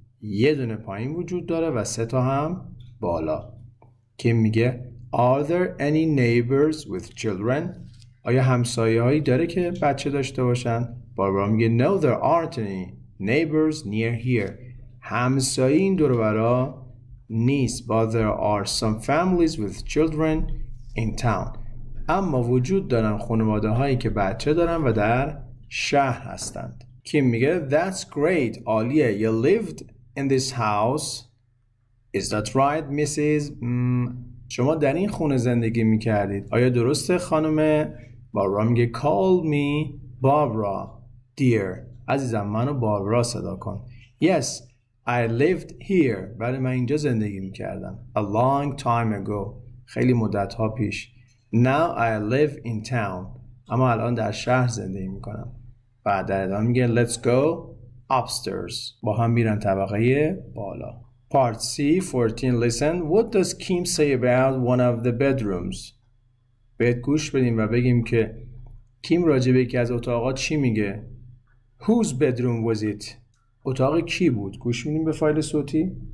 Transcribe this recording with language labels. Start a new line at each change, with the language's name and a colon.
Persian: یه دونه پایین وجود داره و 3 تا هم بالا. کیم میگه
English: Are there any neighbors with children?
Persian: آیا همسایه‌هایی داره که بچه داشته باشن؟ بابرا میگه
English: No, there aren't any neighbors near here.
Persian: همسایه این دور و برا نیست.
English: But there are some families with children in town.
Persian: اما وجود دارن خانواده‌هایی که بچه دارن و در شهر هستند. کیم میگه
English: That's great.
Persian: عالیه.
English: You lived in this house. Is that right, Mrs.?
Persian: شما در این خونه زندگی میکردید. آیا درسته خانم؟ بابرا میگه
English: Call me Barbara, dear.
Persian: عزیزم منو بابرا صدا کن.
English: Yes, I lived here.
Persian: بله من اینجا زندگی میکردم.
English: A long time ago.
Persian: خیلی مدت ها پیش.
English: Now I live in town.
Persian: اما الان در شهر زندگی میکنم. بعد در ادامه میگه
English: Let's go upstairs.
Persian: با هم میرن طبقه بالا.
English: Part C, 14, listen. What does Kim say about one of the bedrooms?
Persian: بهت گوش بدیم و بگیم که کیم راجع به یکی از اتاقا چی میگه.
English: Whose bedroom was it?
Persian: اتاق کی بود؟ گوش میدیم به فایل صوتی.